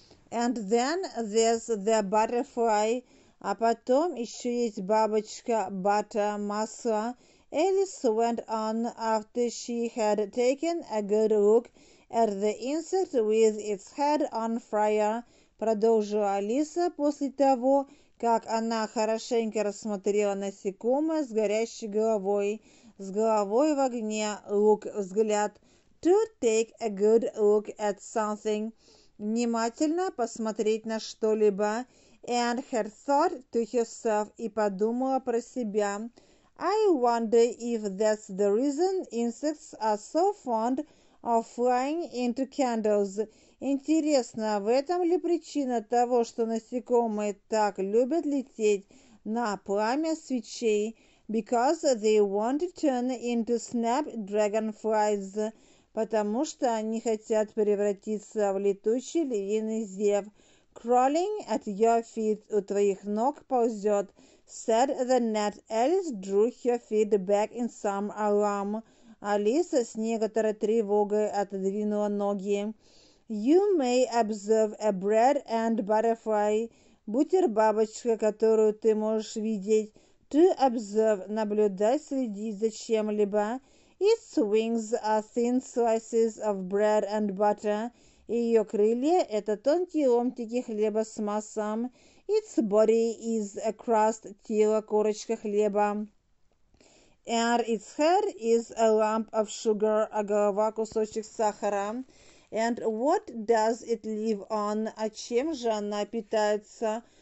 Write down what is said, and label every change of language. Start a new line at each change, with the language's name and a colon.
English: And then there's the butterfly,
Russian: а потом еще есть бабочка,
English: butter,
Russian: масло.
English: Alice went on after she had taken a good look at the insect with its head on fire.
Russian: Продолжила Алиса после того, как она хорошенько рассмотрела насекомое с горящей головой. С головой в огне,
English: look,
Russian: взгляд.
English: To take a good look at something.
Russian: Внимательно посмотреть на что-либо.
English: And her thought to herself,
Russian: и подумала про себя.
English: I wonder if that's the reason insects are so fond of flying into candles.
Russian: Интересно, в этом ли причина того, что насекомые так любят лететь на пламя свечей?
English: Because they want to turn into snap dragonflies.
Russian: Потому что они хотят превратиться в летучий львиный зев.
English: Crawling at your feet,
Russian: у твоих ног ползет,
English: said the gnat. Alice drew her feet back in some alarm.
Russian: Алиса с некоторой тревогой отодвинула ноги.
English: You may observe a bread and butterfly.
Russian: Бутербабочка, которую ты можешь видеть.
English: To observe,
Russian: наблюдать, следить за чем-либо.
English: Its wings are thin slices of bread and butter.
Russian: Ее крылья – это тонкие ломтики хлеба с маслом.
English: Its body is a crust,
Russian: тело – корочка хлеба.
English: And its head is a lump of sugar,
Russian: а голова – кусочек сахара.
English: And what does it live on?
Russian: А чем же она питается?